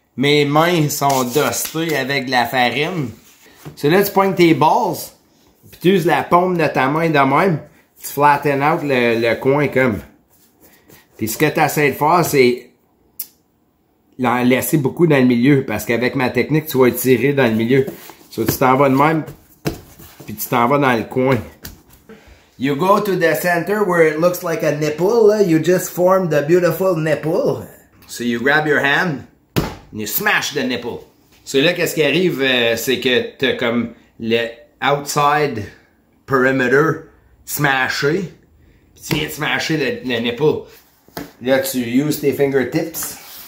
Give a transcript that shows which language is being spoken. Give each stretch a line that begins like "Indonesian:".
French: Mes mains sont dustées avec de la farine. Celui-là, tu pointes tes balls, puis tu uses la paume de ta main de même, tu
English: flatten out
French: le coin comme. Puis ce que tu essaies de faire, c'est l'en laisser beaucoup dans le milieu, parce qu'avec ma technique, tu vas tirer dans le milieu. So, tu t'en vas de même, puis tu t'en vas dans le coin.
English: You go to the center where it looks like a nipple, you just form the beautiful nipple. So you grab your hand, and you smash the nipple.
French: So là, qu'est-ce qui arrive, c'est que t'as comme le
English: outside perimeter
French: smashé, pis tu viens de smasher le nipple. Là, tu use tes
English: fingertips.